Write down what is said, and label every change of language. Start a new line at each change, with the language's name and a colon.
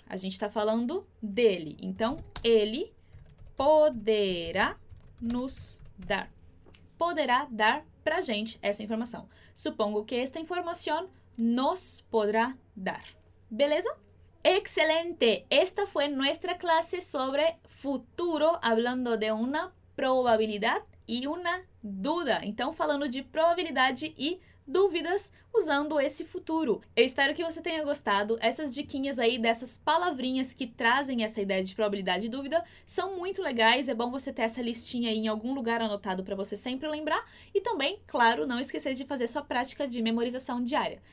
Portuguese: A gente está falando dele. Então, ele poderá nos dar. Poderá dar para a gente essa informação.
Spanish: Supongo que
Portuguese: esta informação nos poderá dar. Beleza? Excelente.
Spanish: Esta fue nuestra clase sobre futuro, hablando de una probabilidad y una duda.
Portuguese: Então, falando de probabilidade e dúvidas usando esse futuro. Eu espero que você tenha gostado. Essas diquinhas aí dessas palavrinhas que trazem essa ideia de probabilidade e dúvida são muito legais. É bom você ter essa listinha aí em algum lugar anotado para você sempre lembrar. E também, claro, não esquecer de fazer sua prática de memorização diária.